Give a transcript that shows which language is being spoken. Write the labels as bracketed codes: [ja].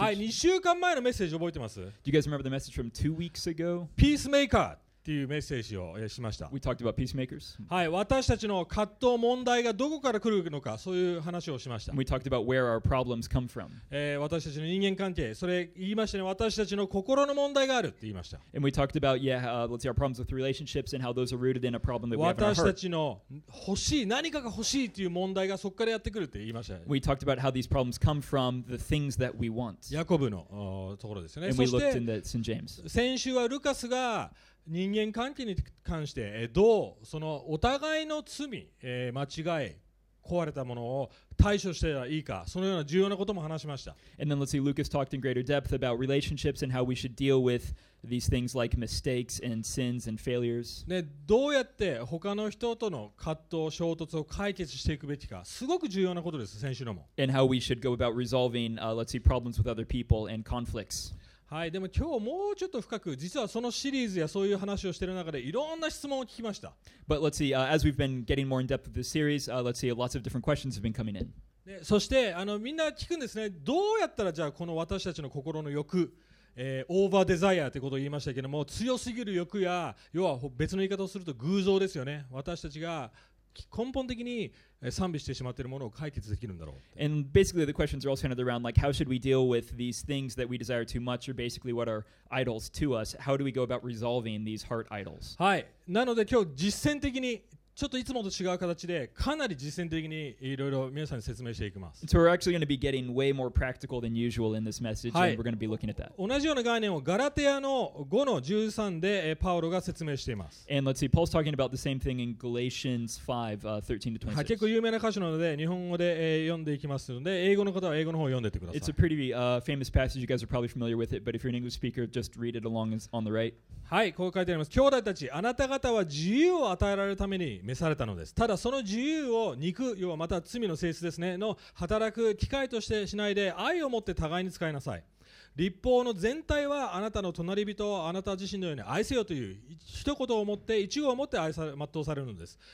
[ja] はい、2週間前のメッセージ覚えてます? [en] Do you guys remember the message from 2 weeks ago? [ja] Peacemaker っていうメッセージをしました。 [en] We talked about peacemakers. [ja] はい、私たちの葛藤、問題がどこから来るのか、そういう話をしました。 [en] We talked about where our problems come from. [ja] 私たちの人間関係、それ言いましたね。私たちの心の問題があるって言いました。 [en] And we talked about, yeah, let's see, our problems with relationships and how those are rooted in a problem that we have in our heart. [ja] 私たちの欲しい、何かが欲しいっていう問題がそこからやってくるって言いました。 [en] We talked about how these problems come from the things that we want. [ja] ヤコブのところですよね。 [en] And we looked in that St. James. [ja] 先週はルカスが人間関係に関してどうそのお互いの罪、間違い壊れたものを対処してはいいかそのような重要なことも話しました。 [en] And then let's see, Lucas talked in greater depth about relationships and how we should deal with these things like mistakes and sins and failures. [ja] ね、どうやって他の人との葛藤、衝突を解決していくべきか、すごく重要なことです。先週のも。 [en] And how we should go about resolving, let's see, problems with other people and conflicts. [ja] はい、でも今日もうちょっと深く、実はそのシリーズやそういう話をしている中でいろんな質問を聞きました。 [en] But let's see, as we've been getting more in depth with this series, let's see, lots of different questions have been coming in. [ja] で、そしてみんな聞くんですね。どうやったらじゃあこの私たちの心の欲、オーバーデザイアということを言いましたけども、強すぎる欲や、要は別の言い方をすると偶像ですよね。私たちが根本的に賛美してしまっているものを解決できるんだろう。 [en] And basically the questions are all centered around like how should we deal with these things that we desire too much or basically what are idols to us? How do we go about resolving these heart idols? [ja] はい。なので今日実践的にちょっといつもと違う形でかなり実践的にいろいろ皆さんに説明していきます。 [en] So we're actually going to be getting way more practical than usual in this message、 [ja] はい、 [en] and we're going to be looking at that. [ja] 同じような概念をガラテヤの5の13でパウロが説明しています。 [en] And let's see, Paul's talking about the same thing in Galatians 5, 13 to 26. [ja] 結構有名な箇所なので日本語で読んでいきますので英語の方は英語の方を読んでいってください。 [en] It's a pretty famous passage, you guys are probably familiar with it, but if you're an English speaker, just read it along on the right. [ja] はい、こう書いてあります。兄弟たち、あなた方は自由を与えられるために召されたのです。ただその自由を肉、要はまた罪の性質ですね、の働く機会としてしないで愛を持って互いに使いなさい。律法の全体はあなたの隣人をあなた自身のように愛せよという一言を持って一語を持って愛され全うされるのです。